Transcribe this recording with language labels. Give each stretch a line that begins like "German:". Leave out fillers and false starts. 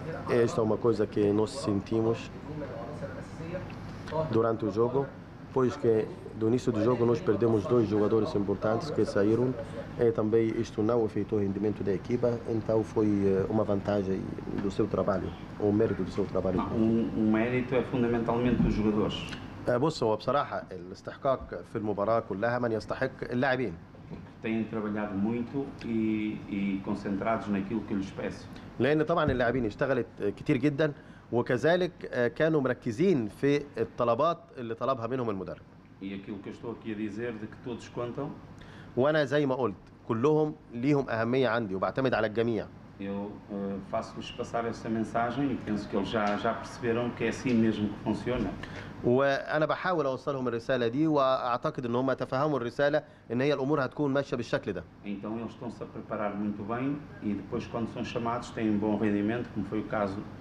Portuguese: Esta é uma coisa que nós sentimos durante o jogo. Pois que do início do jogo nós perdemos dois jogadores importantes que saíram e também isto não afetou o rendimento da equipa, então foi uma vantagem do seu trabalho, o mérito do seu trabalho. Não, um mérito é fundamentalmente dos jogadores.
Arabic: بصوا بصراحة الاستحقاق في المباراة كلها من يستحق اللاعبين.
Portuguese: Têm trabalhado muito e concentrados naquilo que lhes peço.
Arabic: لأن طبعا اللاعبين اشتغلت كتير جدا وكذلك كانوا مركزين في الطلبات اللي طلبها منهم المدرب.
Portuguese: E aquilo que estou aqui a dizer de que todos contam.
Arabic: وانا زي ما قلت كلهم ليهم أهمية عندي وبعتمد على الجميع.
Portuguese: Eu faço-lhes passar essa mensagem e penso que eles já perceberam que é assim mesmo que funciona.
Arabic: وانا بحاول اوصلهم الرسالة دي واعتقد ان هم تفهموا الرسالة ان هي الامور هتكون ماشية بالشكل ده.
Portuguese: Então eles estão-se a preparar muito bem e depois quando são chamados têm bom rendimento como foi o caso